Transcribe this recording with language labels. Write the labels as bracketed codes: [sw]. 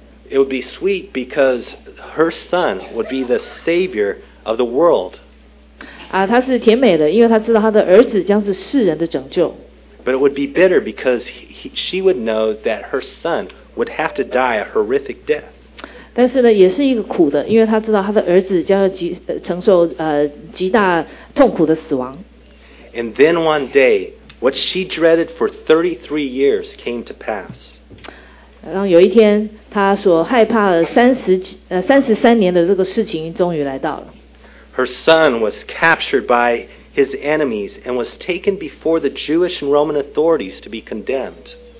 [en] It would be sweet because her son would be the savior of the world. [zh] 啊，他是甜美的，因为他知道他的儿子将是世人的拯救。 [en] But it would be bitter because she would know that her son would have to die a horrific death. [zh] 但是呢，也是一个苦的，因为他知道他的儿子将要承受极大痛苦的死亡。 [en] And then one day, what she dreaded for 33 years came to pass. [zh] 然后有一天，他所害怕了33年的这个事情终于来到了。 [en] Her son was captured by his enemies and was taken before the Jewish and Roman authorities to be condemned.